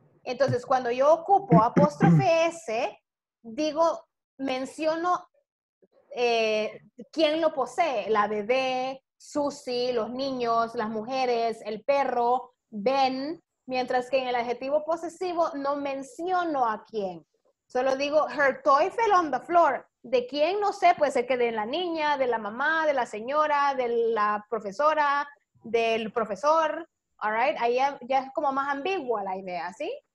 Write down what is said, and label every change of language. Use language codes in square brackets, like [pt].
[es] Entonces, cuando yo ocupo apóstrofe S, digo, menciono quién lo posee. La bebé, Susie, los niños, las mujeres, el perro, Ben. Mientras que en el adjetivo posesivo no menciono a quién. [en] Solo digo, her toy fell on the floor. [es] ¿De quién? No sé, puede ser que de la niña, de la mamá, de la señora, de la profesora, del profesor. [en] All right, [es] ahí ya es como más ambigua la idea, ¿sí?